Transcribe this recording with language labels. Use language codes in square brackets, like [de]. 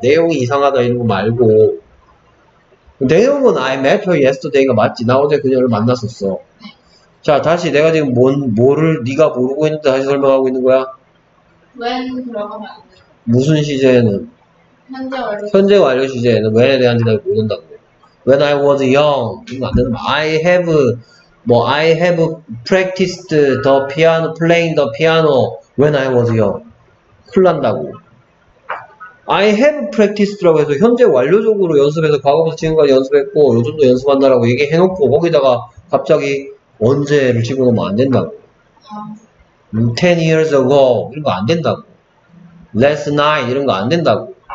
[ko] 내용이 이상하다 이런 거 말고 내용은 [en] I met her yesterday가 [ko] 맞지. 나 어제 그녀를 만났었어. 자, 다시 내가 지금 뭐를 네가 모르고 있는데 다시 설명하고 있는 거야? When 들어가면 안 돼. 무슨 시제에는? 현재 완료. 현재 완료 시제에는 when에 대한 대답을 못 한다고. [en] When I was young. 이거 안 되는 거야. I have practiced the piano, playing the piano when I was young. [ko] 큰일 난다고. [en] I have practiced라고 [ko] 해서 현재 완료적으로 연습해서 과거부터 지금까지 연습했고 요즘도 연습한다라고 얘기해놓고 거기다가 갑자기 언제를 집어넣으면 안 된다고. [en] 10 years ago [ko] 이런 거 안 된다고. [en] Last night [ko] 이런 거 안 된다고.